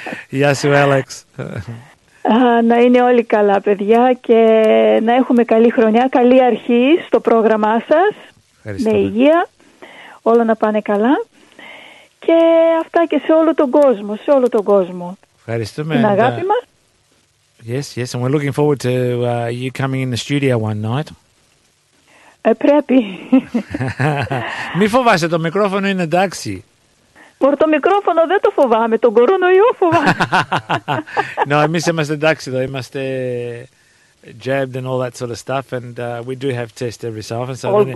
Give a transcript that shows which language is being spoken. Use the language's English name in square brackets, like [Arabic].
[Greek] Γεια σου, Άλεξ. Να είναι όλοι καλά, παιδιά, και να έχουμε καλή χρονιά, καλή αρχή στο πρόγραμμά σας. Ευχαριστώ, με υγεία, όλα να πάνε καλά. Και αυτά και σε όλο τον κόσμο, σε όλο τον κόσμο. Ευχαριστούμε. Την αγάπη μας. [English] Yes, yes, and we're looking forward to you coming in the studio one night. [Greek] Πρέπει. Μη φοβάσαι, το μικρόφωνο είναι εντάξει. Μπορώ το μικρόφωνο δεν το φοβάμαι, τον κορονοϊό φοβάμαι. [English] No, [Greek] εμείς είμαστε εντάξει εδώ, είμαστε [English] jabbed and all that sort of stuff, and we do have tests every so often, so